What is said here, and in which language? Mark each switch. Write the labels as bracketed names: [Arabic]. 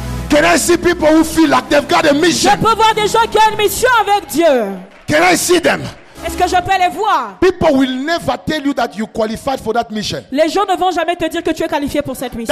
[English] Can I see people who feel like they've got a mission? [French] Je peux voir des gens qui ont une mission avec Dieu. [English] Can I see them? [French] Est-ce que je peux les voir? [English] People will never tell you that you qualified for that mission. [French] Les gens ne vont jamais te dire que tu es qualifié pour cette mission.